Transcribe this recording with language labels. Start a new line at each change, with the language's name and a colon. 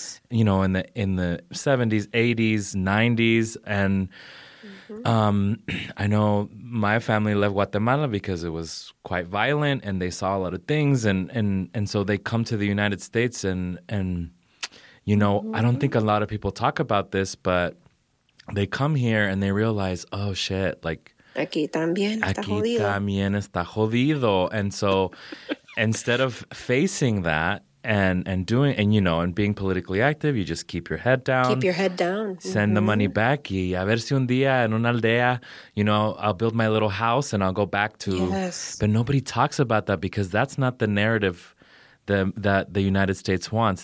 English: you know, in the 70s, 80s, 90s, and I know my family left Guatemala because it was quite violent and they saw a lot of things and so they come to the United States and you know, I don't think a lot of people talk about this, but they come here and they realize, oh shit, like
Spanish: aquí también está jodido.
English: And so instead of facing that and doing, and you know, and being politically active, you just keep your head down. Keep your head down. Send the money back.
Spanish: Y a ver si un día en una aldea,
English: you know, I'll build my little house and I'll go back to. Yes. But nobody talks about that because that's not the narrative that the United States wants.